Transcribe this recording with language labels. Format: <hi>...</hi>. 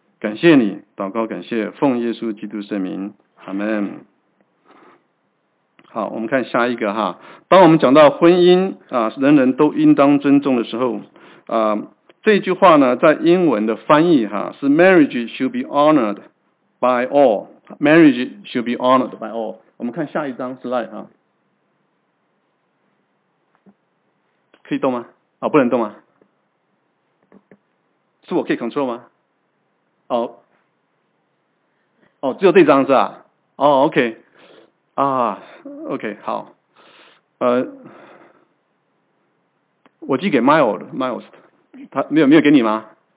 <zh>感谢你，祷告感谢，奉耶稣基督圣名，阿们。好，我们看下一个哈。当我们讲到婚姻啊，人人都应当尊重的时候啊，这句话呢，在英文的翻译哈是</zh> <en>"Marriage should be honored by all." Marriage should be honored by all.</en> <zh>我们看下一张 slide 哈，可以动吗？啊、哦，不能动吗？是我可以 control 吗？哦，哦，只有这张是吧？哦 ，OK。啊 ，OK， 好，我寄给 Miles， 他没有给你吗？</zh>